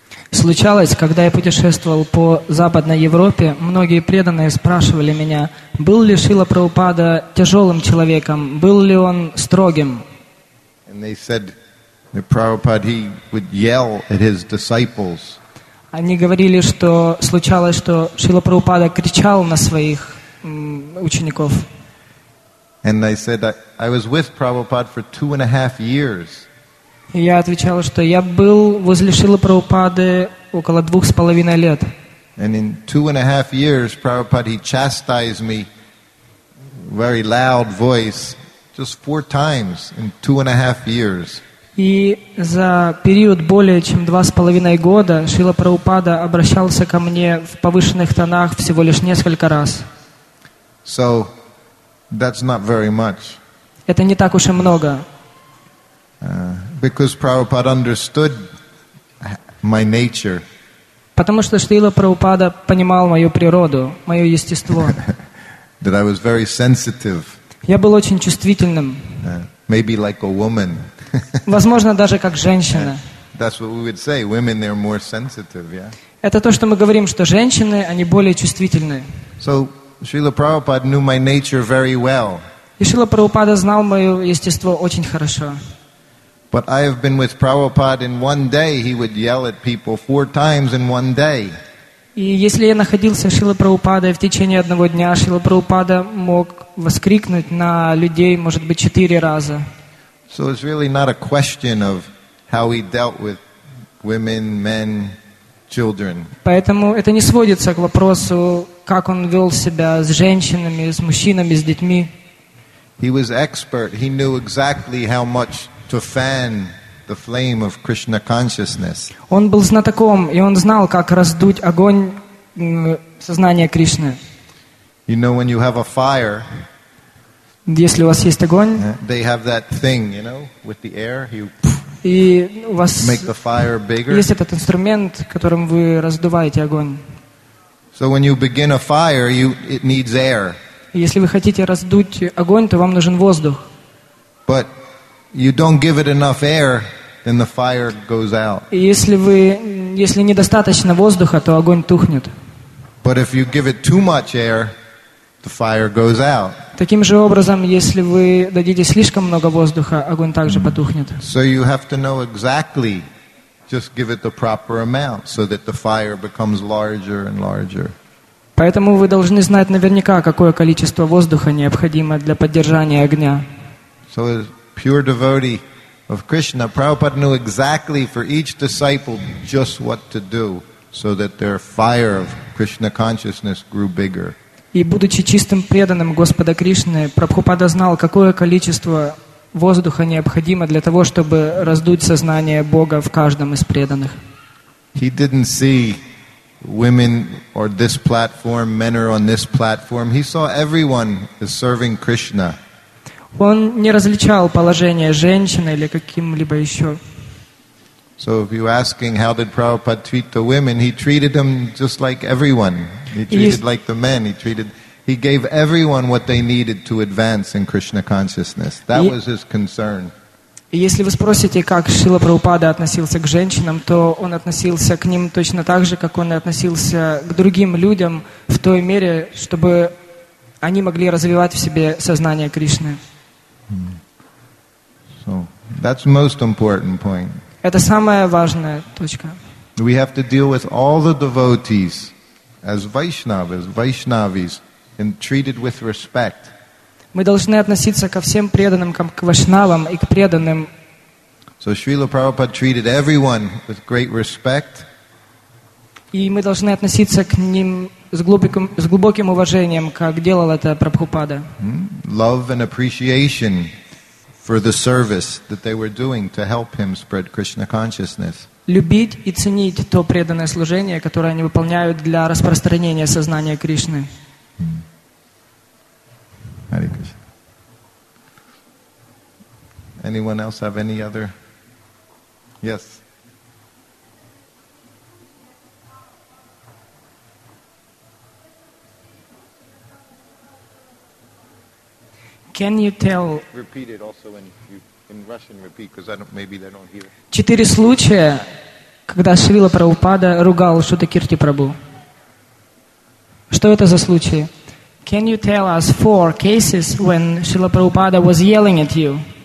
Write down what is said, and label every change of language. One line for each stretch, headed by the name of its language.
Russian: Случалось, когда я путешествовал по Западной Европе, многие преданные спрашивали меня, был ли Шрила Прабхупада тяжелым человеком, был ли он строгим?
English: And they said that Prabhupada he would yell at his disciples.
Russian: Они говорили, что случалось, что Шрила Прабхупада кричал на своих учеников.
English: And I said that I was with Prabhupada for 2.5 years.
Russian: Я отвечал, что я был возле Шрилы Прабхупады около 2.5 лет.
English: And in 2.5 years, Prabhupada, he chastised me very loud voice just 4 times in 2.5 years.
Russian: И за период более чем 2.5 года Шрила Прабхупада обращался ко мне в повышенных тонах всего лишь несколько раз.
English: So, that's not very much.
Russian: Это не так уж и много.
English: Because Prabhupada understood my nature.
Russian: Потому что Шрила Прабхупада понимал мою природу, мое естество.
English: That I was very sensitive.
Russian: Я был очень чувствительным.
English: Maybe like a woman.
Russian: Возможно, даже как женщина.
English: That's what we would say. Women, they're more sensitive, yeah?
Russian: Это то, что мы говорим, что женщины, они более чувствительны.
English: So, Srila Prabhupada knew my nature very well.
Russian: И Шрила Прабхупада знал мое естество очень хорошо.
English: But I have been with Prabhupada in one day, he would yell at people 4 times in one day.
Russian: И если я находился в Шрила Прабхупада в течение одного дня, Шрила Прабхупада мог воскликнуть на людей, может быть, 4 раза.
English: So it's really not a question of how he dealt with women, men, children.
Russian: Поэтому это не сводится к вопросу, как он вел себя с женщинами, с мужчинами, с детьми.
English: He was expert. He knew exactly how much to fan the flame of Krishna consciousness.
Russian: Он был знатоком, и он знал, как раздуть огонь сознания Кришны.
English: You know, when you have a fire,
Russian: если у вас есть огонь,
English: they have that thing, you know, with the air, you make the fire bigger.
Russian: Есть этот инструмент, которым вы раздуваете огонь.
English: So when you begin a fire, it needs air.
Russian: Если вы хотите раздуть огонь, то вам нужен воздух.
English: But you don't give it enough air, then the fire goes out.
Russian: Если недостаточно воздуха, то огонь тухнет.
English: But if you give it too much air, the fire goes out.
Russian: Таким же образом, если вы дадите слишком много воздуха, огонь также потухнет.
English: So you have to know exactly, just give it the proper amount, so that the fire becomes larger and larger.
Russian: Поэтому вы должны знать наверняка, какое количество воздуха необходимо для поддержания огня.
English: So as pure devotee of Krishna, Prabhupada knew exactly for each disciple just what to do, so that their fire of Krishna consciousness grew bigger.
Russian: И будучи чистым преданным Господа Кришны, Прабхупада знал, какое количество воздуха необходимо для того, чтобы раздуть сознание Бога в каждом из преданных.
English: He didn't see women on this platform, men are on this platform. He saw everyone as serving Krishna.
Russian: Он не различал положение женщины или каким-либо еще.
English: So if you're asking how did Prabhupada treat the women, he treated them just like everyone. He treated like the men. He gave everyone what they needed to advance in Krishna consciousness. That was his concern.
Russian: Если вы спросите, как Шрила Прабхупада относился к женщинам, то он относился к ним точно так же, как он и относился к другим людям в той мере, чтобы они могли развивать в себе сознание Кришны.
English: So, that's most important point.
Russian: Это самая важная точка.
English: We have to deal with all the devotees as Vaishnavas, Vaishnavis, and treated with respect.
Russian: Мы должны относиться ко всем преданным, как к вайшнавам и к преданным.
English: So Srila Prabhupada treated everyone with great respect.
Russian: И мы должны относиться к ним с глубоким уважением, как делал это Прабхупада.
English: Love and appreciation for the service that they were doing to help him spread Krishna consciousness.
Russian: Любить и ценить то преданное служение, которое они выполняют для распространения сознания Кришны.
English: Hare Krishna. Anyone else have any other? Yes. Can you tell? Repeat it also in Russian. Repeat, because maybe they don't hear.
Russian: 4 случая, когда Шрила Прабхупада ругал Шута Кирти Прабу. Что это за случаи?
English: Can you tell us 4 cases when Srila Prabhupada was yelling at you?